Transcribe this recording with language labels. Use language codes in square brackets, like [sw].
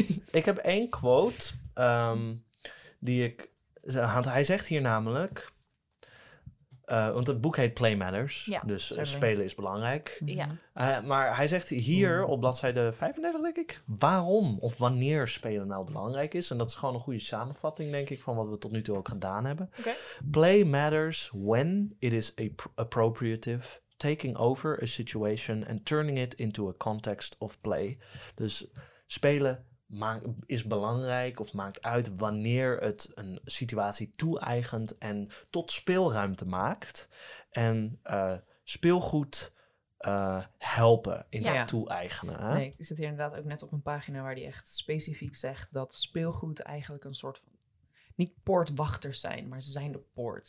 [nl] ik heb één quote die ik... Hij zegt hier namelijk, Want het boek heet Play Matters. Ja, dus spelen is belangrijk. Ja. Maar hij zegt hier op bladzijde 35, denk ik, waarom of wanneer spelen nou belangrijk is. En dat is gewoon een goede samenvatting, denk ik, van wat we tot nu toe ook gedaan hebben. Okay. [en] Play matters when it is appropriative, taking over a situation and turning it into a context of play. [nl] Dus spelen is belangrijk of maakt uit wanneer het een situatie toe-eigent en tot speelruimte maakt. En speelgoed helpen in dat toe-eigenen. Hè? Nee, ik zit hier inderdaad ook net op een pagina waar die echt specifiek zegt dat speelgoed eigenlijk een soort van, niet poortwachters zijn, maar ze zijn de poort.